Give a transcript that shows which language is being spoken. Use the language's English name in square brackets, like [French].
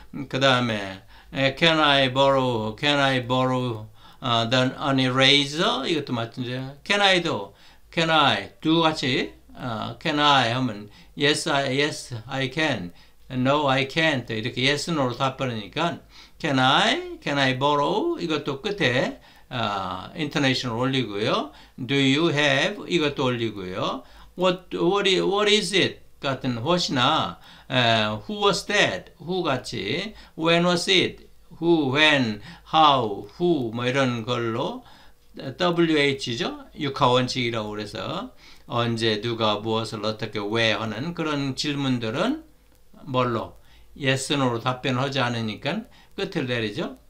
[Korean] 그 다음에 [English] Can I borrow the eraser? [Korean] 이것도 마찬가지예요. [English] Can I [Korean] 두 같이 [English] Can I [Korean] 하면 [English] Yes, I can. No, I can't. [Korean] 이렇게 [English] Yes, No로 [Korean] 답하니까 [English] Can I borrow? [Korean] 이것도 끝에 intonation 올리고요. [English] Do you have? [Korean] 이것도 올리고요. [English] What is it? [Korean] 같은 [English] what이나 who was that? Who [Korean] 같이 [English] when was it? Who, when, how, who [Korean] 뭐 이런 걸로 [English] WH죠? [Korean] 육하원칙이라고 그래서 언제 누가 무엇을 어떻게 왜 하는 그런 질문들은 뭘로 [English] yes, no [Korean] 로 답변을 하지 않으니까 끝을 내리죠.